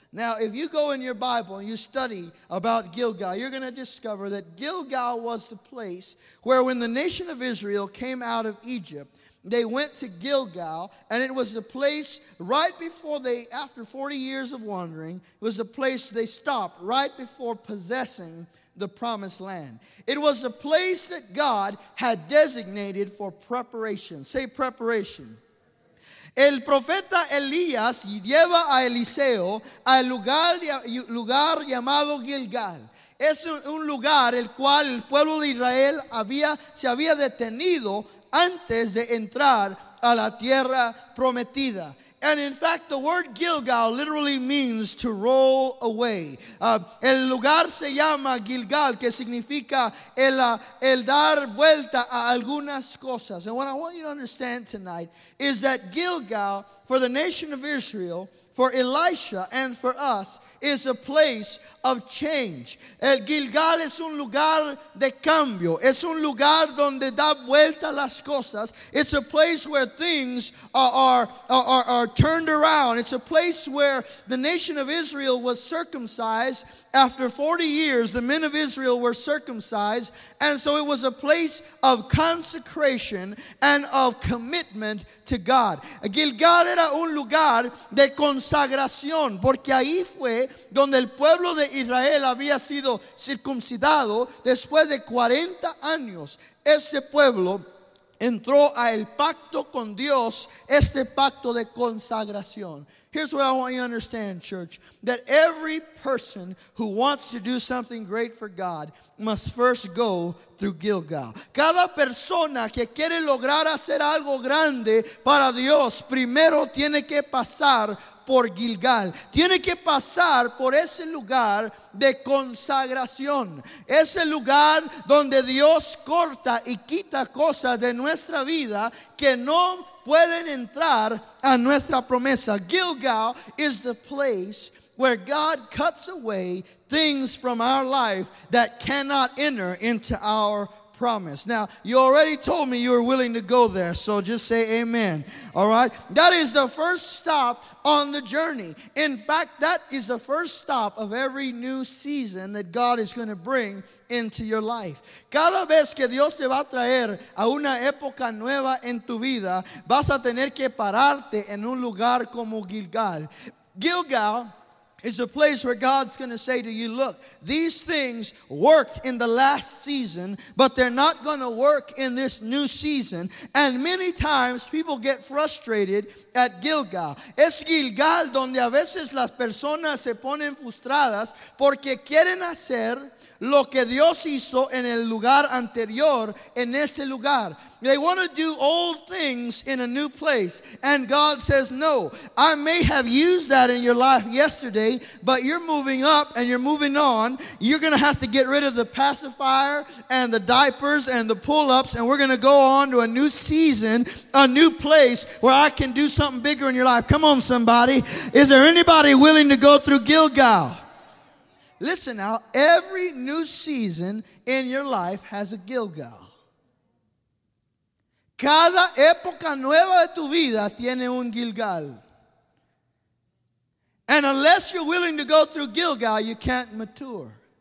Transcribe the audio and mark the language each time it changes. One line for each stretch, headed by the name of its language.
English: Now, if you go in your Bible and you study about Gilgal, you're going to discover that Gilgal was the place where when the nation of Israel came out of Egypt, they went to Gilgal, and it was the place right before they, after 40 years of wandering, it was the place they stopped right before possessing the promised land. It was a place that God had designated for preparation. Say preparation.
Spanish: El profeta Elías lleva a Eliseo al lugar llamado Gilgal. Es un lugar el cual el pueblo de Israel se había detenido antes de entrar a la tierra prometida.
English: And in fact, the word Gilgal literally means to roll away.
Spanish: El lugar se llama Gilgal, que significa el dar vuelta a algunas cosas.
English: And what I want you to understand tonight is that Gilgal, for the nation of Israel, for Elisha, and for us, is a place of change.
Spanish: El Gilgal es un lugar de cambio. Es un lugar donde da vuelta las cosas.
English: It's a place where things are turned around. It's a place where the nation of Israel was circumcised. After 40 years, the men of Israel were circumcised. And so it was a place of consecration and of commitment to God.
Spanish: Gilgal era un lugar de consagración, porque ahí fue donde el pueblo de Israel había sido circuncidado después de 40 años. Este pueblo entró a el pacto con Dios, este pacto de consagración.
English: Here's what I want you to understand, church, that every person who wants to do something great for God must first go through Gilgal.
Spanish: Cada persona que quiere lograr hacer algo grande para Dios, primero tiene que pasar por Gilgal. Tiene que pasar por ese lugar de consagración. Ese lugar donde Dios corta y quita cosas de nuestra vida que no pueden entrar a nuestra promesa.
English: Gilgal is the place where God cuts away things from our life that cannot enter into our promise. Now, you already told me you were willing to go there, so just say amen. All right? That is the first stop on the journey. In fact, that is the first stop of every new season that God is going to bring into your life.
Spanish: Cada vez que Dios te va a traer a una época nueva en tu vida, vas a tener que pararte en un lugar como Gilgal.
English: Gilgal is a place where God's going to say to you, look, these things worked in the last season, but they're not going to work in this new season. And many times people get frustrated at Gilgal.
Spanish: Es Gilgal donde a veces las personas se ponen frustradas porque quieren hacer lo que Dios hizo en el lugar anterior, en este lugar.
English: They want to do old things in a new place. And God says, no, I may have used that in your life yesterday, but you're moving up and you're moving on. You're going to have to get rid of the pacifier and the diapers and the pull-ups, and we're going to go on to a new season, a new place where I can do something bigger in your life. Come on, somebody. Is there anybody willing to go through Gilgal? Listen now, every new season in your life has a Gilgal.
Spanish: Cada época nueva de tu vida tiene un Gilgal.
English: And unless you're willing to go through Gilgal, you can't mature.